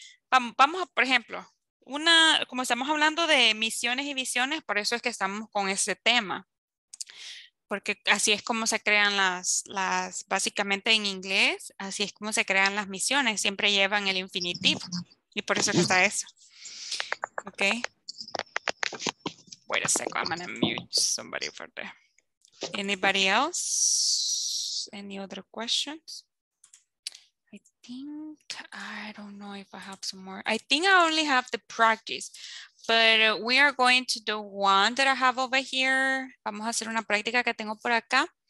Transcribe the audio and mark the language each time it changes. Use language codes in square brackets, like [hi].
[es] Vamos a, por ejemplo, como estamos hablando de misiones y visiones, por eso es que estamos con este tema. Porque así es como se crean las básicamente en inglés, así es como se crean las misiones, siempre llevan el infinitivo. Y por eso está eso. Ok. [en] Wait a second, I'm gonna mute somebody for that. Anybody else? Any other questions? I think, I don't know if I have some more. I think I only have the practice. But we are going to do one that I have over here. [es] Vamos a hacer una práctica que tengo por acá.